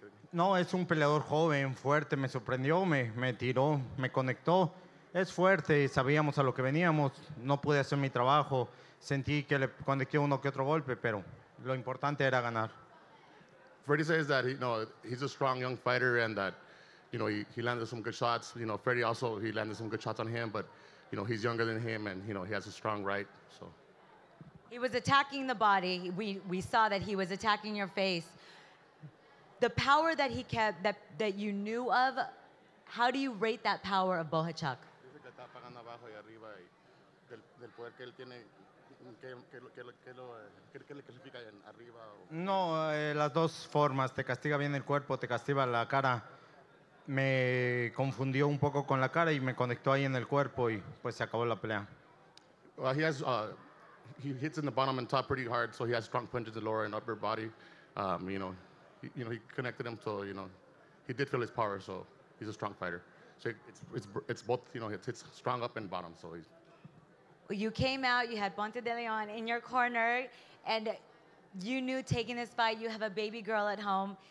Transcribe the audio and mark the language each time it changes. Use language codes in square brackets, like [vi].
[es] No, es un peleador joven, fuerte, me sorprendió, me tiró, me conectó. Es fuerte, sabíamos a lo que veníamos, no pude hacer mi trabajo. Sentí que le conecté uno que otro golpe, pero lo importante era ganar. [en] Freddy says that he's a strong young fighter and that, you know, he landed some good shots. You know, Freddy also, he landed some good shots on him, but, you know, he's younger than him and, you know, he has a strong right, so. He was attacking the body. We saw that he was attacking your face. The power that he kept, that you knew of, how do you rate that power of Boachuk? [es] está pagando abajo y arriba y del, del poder que él tiene, que le clasifica en arriba o... No, las dos formas, te castiga bien el cuerpo, te castiga la cara. Me confundió un poco con la cara y me conectó ahí en el cuerpo y pues se acabó la pelea. [en] Well, he has, he hits in the bottom and top pretty hard, so he has strong punches in the lower and upper body. You know, he connected him to, you know, he did feel his power, so he's a strong fighter. So it's both, you know, it's strong up and bottom, so he's... You came out, you had Ponte de Leon in your corner, and you knew taking this fight, you have a baby girl at home.